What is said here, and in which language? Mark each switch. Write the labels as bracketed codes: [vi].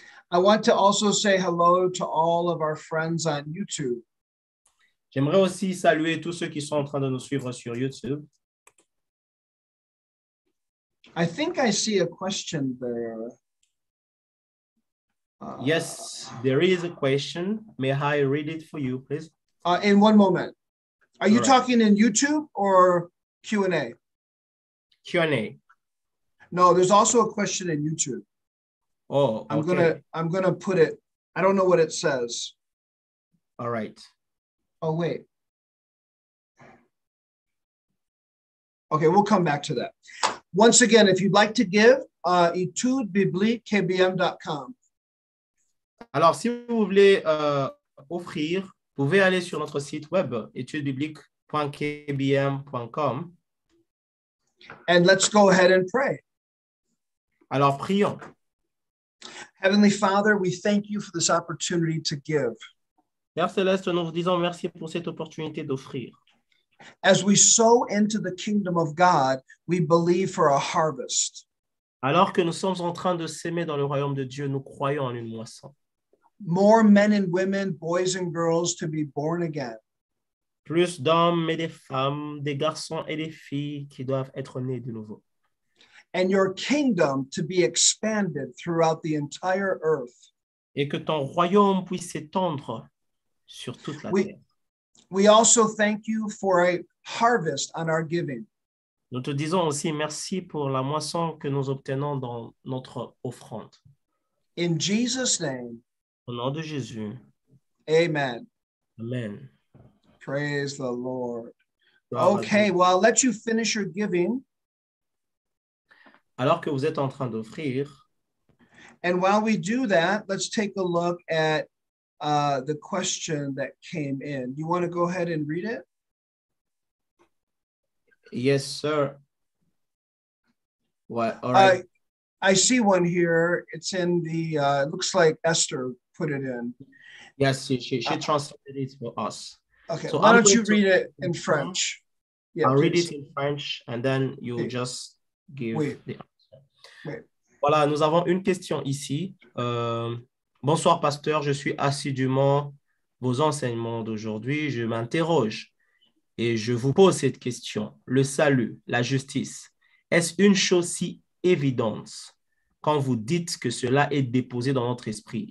[en] I want to also say hello to all of our friends on YouTube. [fr] J'aimerais aussi saluer tous ceux qui sont en train de nous suivre sur YouTube. [en] I think I see a question there. Yes, there is a question. May I read it for you, please? In one moment. Are you right. Talking in YouTube or Q&A? Q&A. No, there's also a question in YouTube. Oh, okay. I'm gonna put it. I don't know what it says. All right. Oh, wait. Okay, we'll come back to that. Once again, if you'd like to give, etudebibliquekbm.com. [fr] Alors, si vous voulez offrir, vous pouvez aller sur notre site web, etudebibliquekbm.com. [en] And let's go ahead and pray. [fr] Alors, prions. [en] Heavenly Father, we thank you for this opportunity to give. [fr] Père Céleste, nous vous disons merci pour cette opportunité d'offrir. [en] As we sow into the kingdom of God, we believe for a harvest. [fr] Alors que nous sommes en train de s'aimer dans le royaume de Dieu, nous croyons en une moisson. [en] More men and women, boys and girls to be born again. [fr] Plus d'hommes et de femmes, des garçons et des filles qui doivent être nés de nouveau. [en] And your kingdom to be expanded throughout the entire earth. [fr] Et que ton royaume puisse s'étendre sur toute la terre. [en] We also thank you for a harvest on our giving. [fr] Nous te disons aussi merci pour la moisson que nous obtenons dans notre offrande. [en] In Jesus' name. [fr] Au nom de Jésus. [en] Amen. [fr] Amen. [en] Praise the Lord. Okay, well, I'll let you finish your giving. [fr] Alors que vous êtes en train d'offrir. [en] And while we do that, let's take a look at the question that came in. You want to go ahead and read it? Yes, sir. What? All right. I see one here. It's in the, it looks like Esther put it in. Yes, she translated it for us. Okay, so why don't you read it in French? Yeah, I'll read it in French and then you'll just give the answer. [fr] Voilà, nous avons une question ici. Bonsoir, pasteur. Je suis assidûment vos enseignements d'aujourd'hui. Je m'interroge. Et je vous pose cette question, le salut, la justice, est-ce une chose si évidente quand vous dites que cela est déposé dans notre esprit?